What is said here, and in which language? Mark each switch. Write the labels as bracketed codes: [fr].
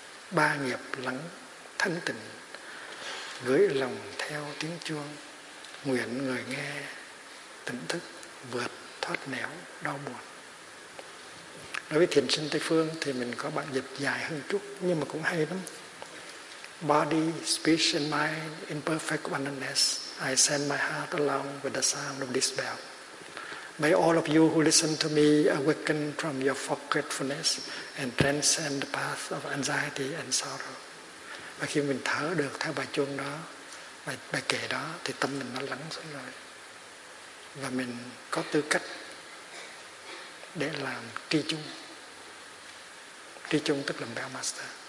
[vi] Ba nghiệp lắng thanh tịnh, gửi lòng theo tiếng chuông, nguyện người nghe tỉnh thức, vượt thoát nẻo đau buồn. Đối với thiền sinh Tây Phương thì mình có bản dịch dài hơn chút, nhưng mà cũng hay lắm. [en] Body, speech and mind in perfect oneness, I send my heart along with the sound of this bell. May all of you who listen to me awaken from your forgetfulness and transcend the path of anxiety and sorrow. [vi] Và khi mình thở được theo bài chuông đó, bài kệ đó, thì tâm mình nó lắng xuống rồi. Và mình có tư cách để làm tri chung. Tri chung tức là Bell Master.